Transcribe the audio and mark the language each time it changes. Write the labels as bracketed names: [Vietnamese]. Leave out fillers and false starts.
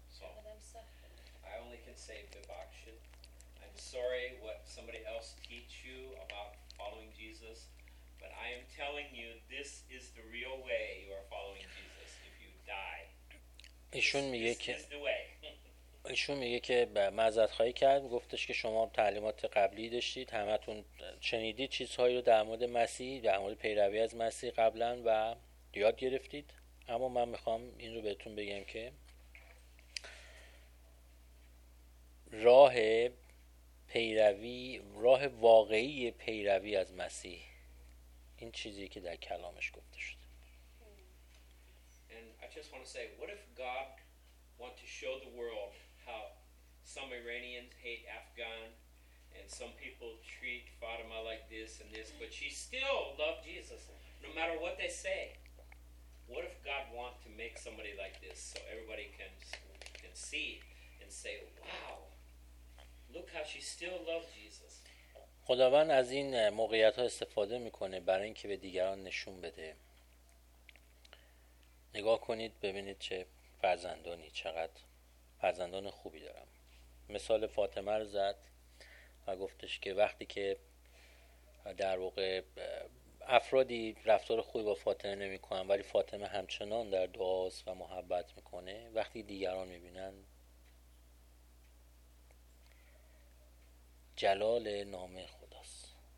[English] I'm sorry what somebody else teach you about following Jesus, but I am telling you this is the real way you are following Jesus if you die. [Persian] ایشون میگه که معذرت خواهی کرد، گفتش که شما تعلیمات قبلی داشتید، همتون شنیدید چیزهایی رو در مورد مسیح، در مورد پیروی از مسیح قبلا و یاد گرفتید، اما من میخوام این رو بهتون بگم که راه پیروی، راه واقعی پیروی از مسیح این چیزی که در کلامش گفته شده. [English] And I just want to say, what if God want to show the world how some Iranians hate Afghan and some people treat Fatima like this and this, but she still loved Jesus no matter what they say? What if God want to make somebody like this so everybody can see and say, wow, look how she still loved Jesus. [Persian] خداوند از این موقعیت ها استفاده میکنه برای اینکه به دیگران نشون بده نگاه کنید ببینید چه فرزندانی، چقدر فرزندان خوبی دارم. مثال فاطمه رو زد و گفتش که وقتی که در واقع افرادی رفتار خوبی با فاطمه نمیکنن ولی فاطمه همچنان در دعاست و محبت میکنه، وقتی دیگران میبینن جلال نام خداست.